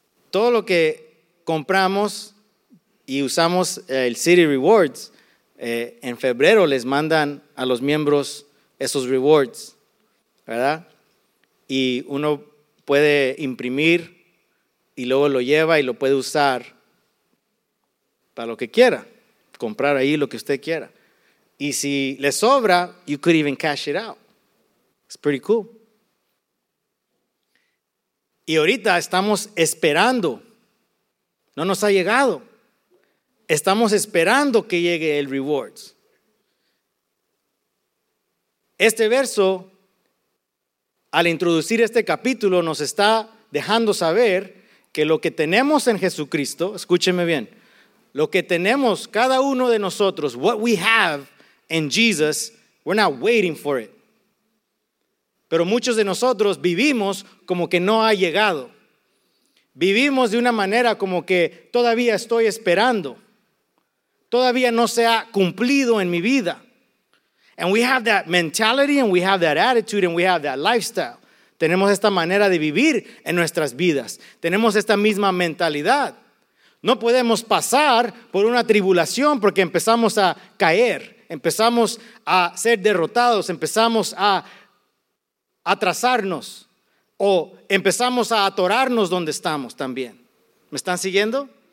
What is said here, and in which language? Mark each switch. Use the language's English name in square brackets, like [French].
[Spanish] Todo lo que compramos y usamos el City Rewards, en febrero les mandan a los miembros esos rewards, ¿verdad? Y uno puede imprimir y luego lo lleva y lo puede usar para lo que quiera, comprar ahí lo que usted quiera. Y si le sobra, [English] you could even cash it out. It's pretty cool. [Spanish] Y ahorita estamos esperando. No nos ha llegado. Estamos esperando que llegue el rewards. Este verso, al introducir este capítulo, nos está dejando saber que lo que tenemos en Jesucristo, escúcheme bien, lo que tenemos cada uno de nosotros, [English] what we have, in Jesus, we're not waiting for it. [Spanish] Pero muchos de nosotros vivimos como que no ha llegado. Vivimos de una manera como que todavía estoy esperando. Todavía no se ha cumplido en mi vida. [English] And we have that mentality and we have that attitude and we have that lifestyle. [Spanish] Tenemos esta manera de vivir en nuestras vidas. Tenemos esta misma mentalidad. No podemos pasar por una tribulación porque empezamos a caer. Empezamos a ser derrotados, empezamos a atrasarnos o empezamos a atorarnos donde estamos también. ¿Me están siguiendo?